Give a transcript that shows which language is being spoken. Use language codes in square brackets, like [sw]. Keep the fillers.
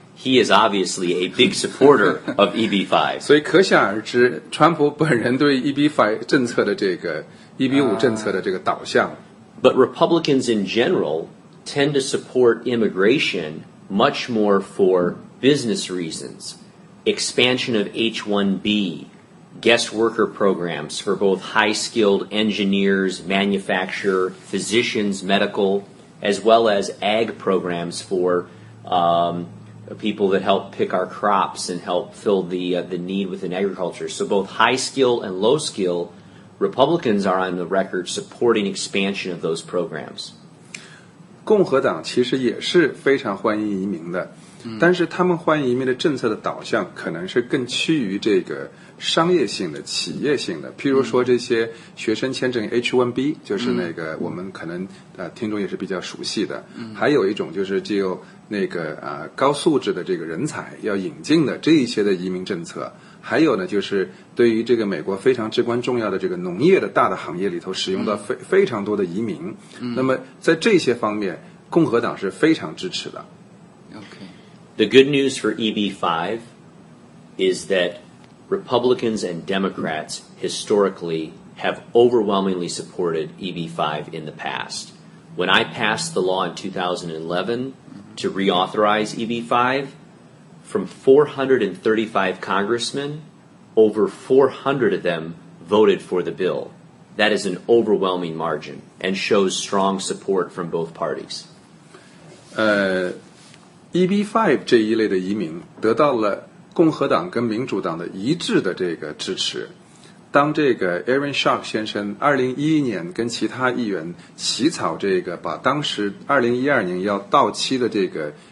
[en] He is obviously a big supporter of EB five。 [zh] 所以可想而知，川普本人对 -5 政策的这个 EB five 政策的这个 EB 五政策的这个导向。 [en] But uh. Republicans in general tend to support immigration much more for business reasons, expansion of H 1B, guest worker programs for both high skilled engineers, manufacturer, physicians, medical, as well as ag programs for um, people that help pick our crops and help fill the, uh, the need within agriculture. So both high skill and low skill. Republicans are on the record supporting expansion of those programs. [zh] 共和党其实也是非常欢迎移民的，但是他们欢迎移民的政策的导向可能是更趋于这个商业性的、企业性的。譬如说，这些学生签证 H-1B，就是那个我们可能呃听众也是比较熟悉的。还有一种就是具有那个啊、呃、高素质的这个人才要引进的这一些的移民政策。还有呢，就是对于这个美国非常至关重要的这个农业的大的行业里头，使用到非非常多的移民。嗯、那么在这些方面，共和党是非常支持的。 [en] Okay. The good news for EB five is that Republicans and Democrats historically have overwhelmingly supported EB five in the past. When I passed the law in 2011 to reauthorize EB five. From 435 congressmen, over 400 of them voted for the bill. That is an overwhelming margin and shows strong support from both parties. e [zh] b five 这一类的移民得到了共和党跟民主党的一致的这个支持。当这个 Aaron s h a c k 先生2011年跟其他议员起草这个，把当时2012年要到期的这个。